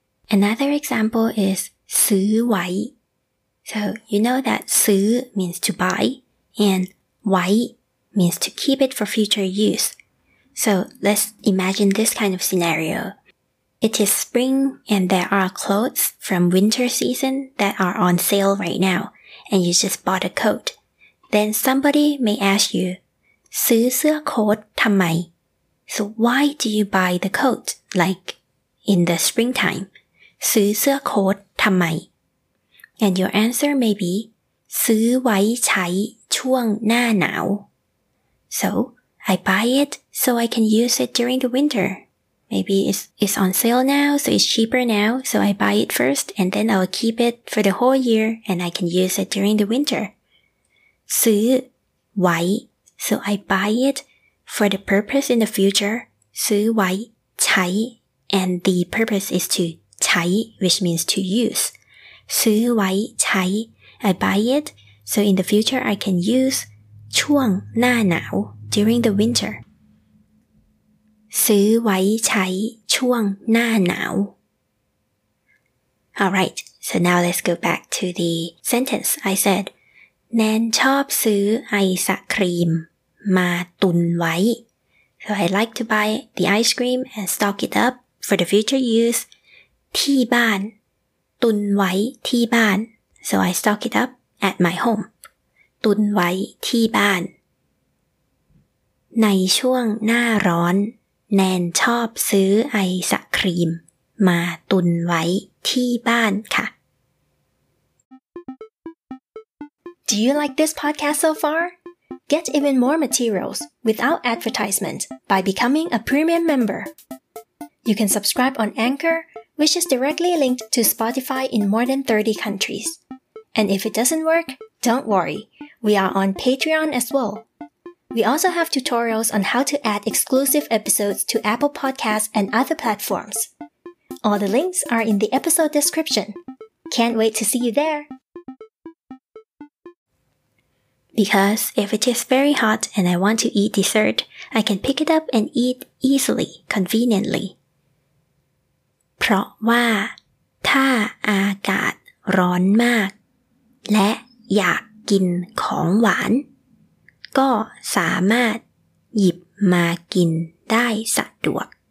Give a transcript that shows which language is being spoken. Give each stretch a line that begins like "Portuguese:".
English: Another example is
Thai: ซื้อไว้
English: So, you know that ซื้อ means to buy, and ไว้ means to keep it for future use. So, let's imagine this kind of scenario. It is spring, and there are clothes from winter season that are on sale right now, and you just bought a coat. Then somebody may ask you,
Thai: ซื้อเสื้อโค้ททำไม?
English: So, why do you buy the coat, like in the springtime?
Thai: ซื้อเสื้อโค้ททำไม
English: And your answer may be,
Thai: ซื้อไว้ใช้ช่วงหน้าหนาว
English: So, I buy it so I can use it during the winter. Maybe it's on sale now, so it's cheaper now, so I buy it first, and then I'll keep it for the whole year, and I can use it during the winter.
Thai: ซื้อไว้
English: So, I buy it for the purpose in the future.
Thai: ซื้อไว้ใช้
English: And the purpose is to ใช้ which means to use.
Thai: ซื้อไว้ใช้
English: I buy it so in the future I can use
Thai: ช่วงหน้าหนาว
English: during the winter
Thai: ซื้อไว้ใช้ช่วงหน้าหนาว
English: All right So now let's go back to the sentence. I said,
Thai: แนนชอบซื้อไอศกรีมมาตุนไว้
English: So I like to buy the ice cream and stock it up for the future use
Thai: ที่บ้านตุนไว้ที่บ้าน
English: So I stock it up at my home
Thai: ตุนไว้ที่บ้านในช่วงหน้าร้อนแนนชอบซื้อไอศกรีมมาตุนไว้ที่บ้านค่ะ
English: Do you like this podcast so far? Get even more materials without advertisement by becoming a premium member. You can subscribe on Anchor, which is directly linked to Spotify in more than 30 countries. And if it doesn't work, don't worry. We are on Patreon as well. We also have tutorials on how to add exclusive episodes to Apple Podcasts and other platforms. All the links are in the episode description. Can't wait to see you there! Because if it is very hot and I want to eat dessert, I can pick it up and eat easily, conveniently.
Thai: เพราะว่าถ้าอากาศร้อนมากและอยากกินของหวานก็สามารถหยิบมากินได้สะดวก